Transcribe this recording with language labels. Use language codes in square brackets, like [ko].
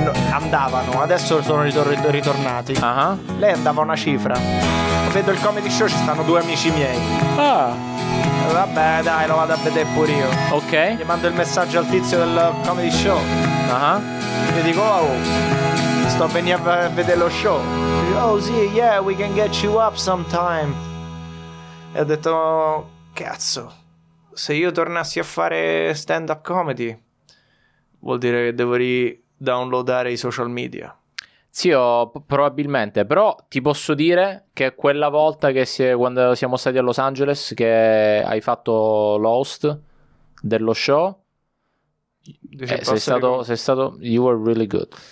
[it] andavano, adesso sono ritornati. Lei andava a una cifra. Vedo il comedy show, ci stanno due amici miei. Ah. Vabbè, dai, lo vado a vedere pure io. Ok. Gli mando il messaggio al tizio del comedy show. Gli dico, oh, sto venendo a vedere lo show. [en] Oh, [it] sì, [en] yeah, we can get you up sometime. [it] E ho detto, cazzo, se io tornassi a fare stand-up comedy, vuol dire che devo ridownloadare i social media. Zio, probabilmente, però ti posso dire che quella volta che quando siamo stati a Los Angeles, che hai fatto l'host dello show, sei stato [en] you were really good.